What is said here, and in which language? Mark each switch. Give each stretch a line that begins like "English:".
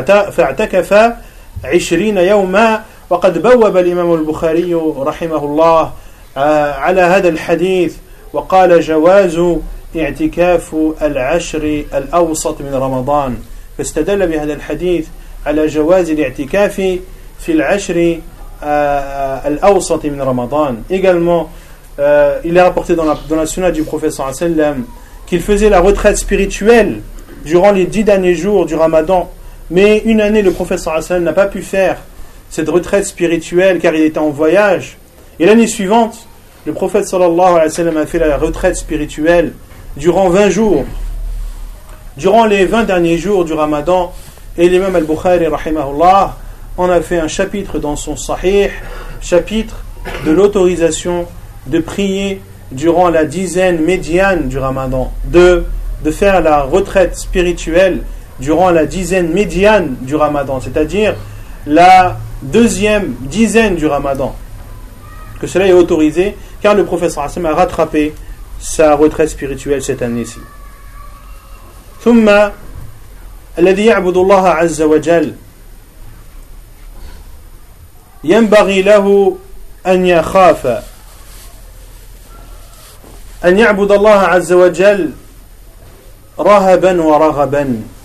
Arabic: فاعتكف 20 يوما وقد بوب الإمام البخاري رحمه الله على هذا الحديث وقال جواز اعتكاف العشر الأوسط من رمضان فاستدل بهذا الحديث على جواز الاعتكاف في العشر الأوسط من رمضان
French: également il est rapporté dans la sunna du prophète صلى الله عليه وسلم qu'il faisait la retraite spirituelle durant les 10 derniers jours du ramadan. Mais une année, le prophète sallallahu alayhi wa sallam n'a pas pu faire cette retraite spirituelle car il était en voyage. Et l'année suivante, le prophète sallallahu alayhi wa sallam a fait la retraite spirituelle durant 20 jours. Durant les 20 derniers jours du ramadan, et l'imam al-Bukhari rahimahullah en a fait un chapitre dans son sahih, chapitre de l'autorisation de prier durant la dizaine médiane du ramadan, de faire la retraite spirituelle durant la dizaine médiane du ramadan, c'est-à-dire la deuxième dizaine du ramadan, que cela est autorisé car le professeur Hassan a rattrapé sa retraite spirituelle cette année-ci.
Arabic: ثم الذي يعبد الله عز وجل ينبغي له أن يخاف أن يعبد الله عز وجل رهبا ورغبا